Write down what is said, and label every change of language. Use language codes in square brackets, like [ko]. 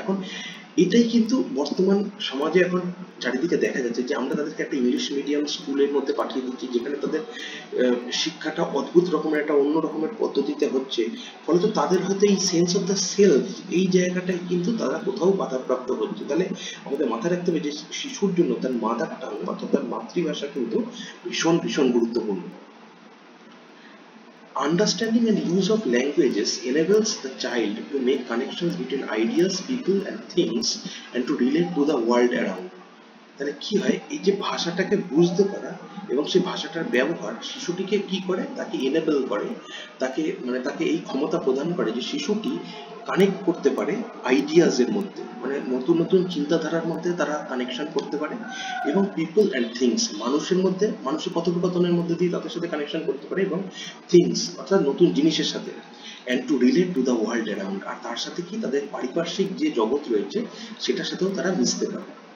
[bn] এখন এটাই কিন্তু বর্তমান সমাজে এখন চারিদিকে দেখা যাচ্ছে, যে আমরা তাদেরকে একটা ইংলিশ মিডিয়াম স্কুলের মধ্যে পাঠিয়ে দিচ্ছি, যেখানে তাদের শিক্ষাটা অদ্ভুত রকমের একটা অন্য রকমের পদ্ধতিতে হচ্ছে, ফলে তো তাদের হয়তো এই [en] sense of the self [bn] এই জায়গাটাই কিন্তু তারা কোথাও বাধাপ্রাপ্ত হচ্ছে। তাহলে আমাদের মাথায় রাখতে হবে যে শিশুর জন্য তার মাদার টাং অর্থাৎ তার মাতৃভাষা কিন্তু ভীষণ ভীষণ গুরুত্বপূর্ণ। [en] Understanding and use of languages enables the child to make connections between ideas, people and things and to relate to the world around. [bn] তাহলে কি হয়, এই যে ভাষাটাকে বুঝতে পারা এবং সেই ভাষাটার ব্যবহার শিশুটিকে কি করে, তাকে এনেবল করে, তাকে মানে তাকে এই ক্ষমতা প্রদান করে যে শিশুটি কানেক্ট করতে পারে আইডিয়াস এর মধ্যে, মানে নতুন নতুন চিন্তাধারার মধ্যে তারা কানেকশন করতে পারে, এবং [en] people and things [bn] মানুষের মধ্যে, মানুষের কথোপকথনের মধ্যে দিয়ে তাদের সাথে কানেকশন করতে পারে, এবং থিংস অর্থাৎ নতুন জিনিসের সাথে, [en] and to relate to the world around, [bn] আর তার সাথে কি তাদের পারিপার্শ্বিক যে জগৎ রয়েছে সেটার সাথেও তারা মিশতে পারে।